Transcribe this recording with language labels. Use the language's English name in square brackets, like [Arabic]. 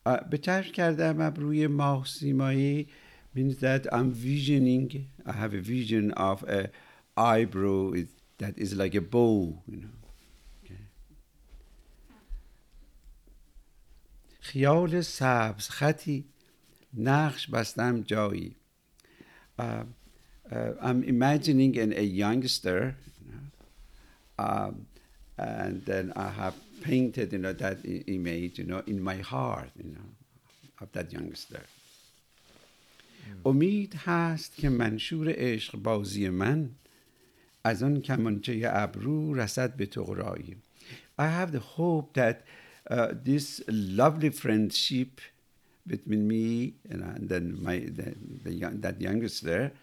[Persian] به چشم کردم ابروی ماه سیمایی [English] means that I'm visioning, I have a vision of an eyebrow that is like a bow, you know. [Persian] خیال سبز خطی نقش بستم جایی. [English] I'm imagining a youngster, you know, and then I have painted, you know, that image, you know, in my heart, you know, of that youngster. [Persian] امید هست که منشور عشق بازی من از اون کمانچه ابرو رسد به طغرایی. [English] I have the hope that this lovely friendship between me and then my that youngster